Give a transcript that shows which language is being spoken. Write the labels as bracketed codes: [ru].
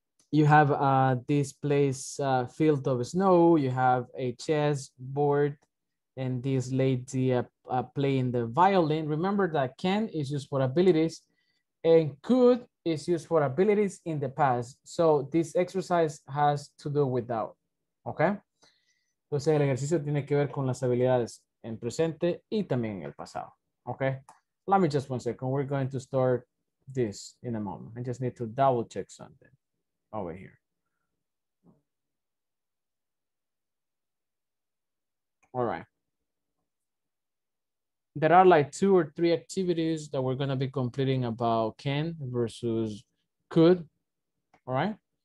[en] You have this place, field of snow. You have a chess board and this lady playing the violin. Remember that can is used for abilities and could is used for abilities in the past. So this exercise has to do with that. Okay. [es] Entonces el ejercicio tiene que ver con las habilidades en presente y también en el pasado. [en] Okay. Let me just one second. We're going to start this in a moment. I just need to double check something over here. All right. There are like two or three activities that we're going to be completing about can versus could. All right.